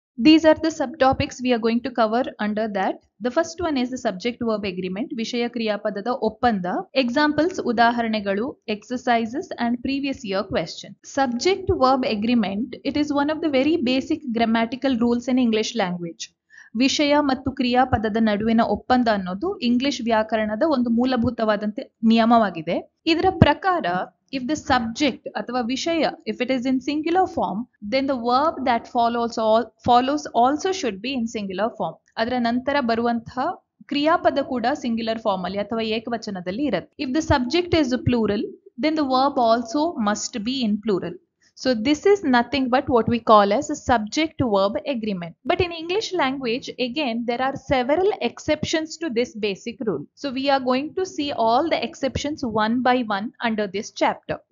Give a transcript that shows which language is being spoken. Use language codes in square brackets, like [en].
[en] These are the subtopics we are going to cover under that. The first one is the subject verb agreement, [kn] vishaya kriya padada oppanda. [en] Examples, udaharanegalu, exercises and previous year question. Subject verb agreement, it is one of the very basic grammatical rules in English language. [kn] ವಿಷಯ ಮತ್ತು ಕ್ರಿಯಾ ಪದದ ನಡುವಿನ ಒಪ್ಪಂದ ಅನ್ನೋದು English ವ್ಯಾಕರಣದ ಒಂದು ಮೂಲಭೂತವಾದಂತೆ ನಿಯಮವಾಗಿದೆ. ಇದರ ಪ್ರಕಾರ [en] If the subject ಅಥವಾ ವಿಷಯ if it is in singular form then the verb that follows also should be in singular form. [kn] ಅದರ ನಂತರ ಬರುವಂತಹ ಕ್ರಿಯಾಪದ ಕೂಡ ಸಿಂಗ್ಯುಲರ್ ಫಾರ್ಮ್ ಅಲ್ಲಿ ಅಥವಾ ಏಕವಚನದಲ್ಲಿ ಇರುತ್ತೆ. [en] If the subject is plural then the verb also must be in plural. So this is nothing but what we call as a subject-verb agreement. But in English language, again, there are several exceptions to this basic rule. So we are going to see all the exceptions one by one under this chapter.